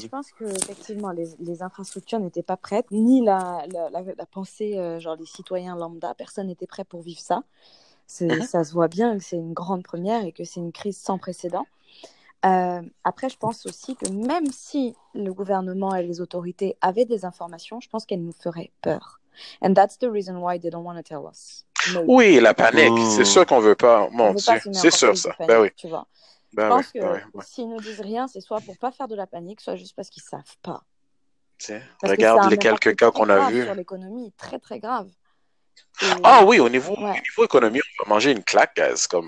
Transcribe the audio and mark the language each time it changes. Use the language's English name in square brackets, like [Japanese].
[French] Je pense que effectivement les infrastructures n'étaient pas prêtes, ni la pensée genre les citoyens lambda, personne n'était prêt pour vivre ça. Ça se voit bien que c'est une grande première et que c'est une crise sans précédent. Après, je pense aussi que même si le gouvernement et les autorités avaient des informations, je pense qu'elles nous feraient peur. [English] And that's the reason why they don't want to tell us. No. [French] Oui, la panique, c'est sûr qu'on veut pas. C'est sûr ça. Panique, ben oui. Tu vois. Je pense que s'ils nous disent rien, c'est soit pour pas faire de la panique, soit juste parce qu'ils savent pas. Regarde les quelques cas qu'on a vus. Sur l'économie, très très grave. Au niveau économie, on va manger une claque, guys.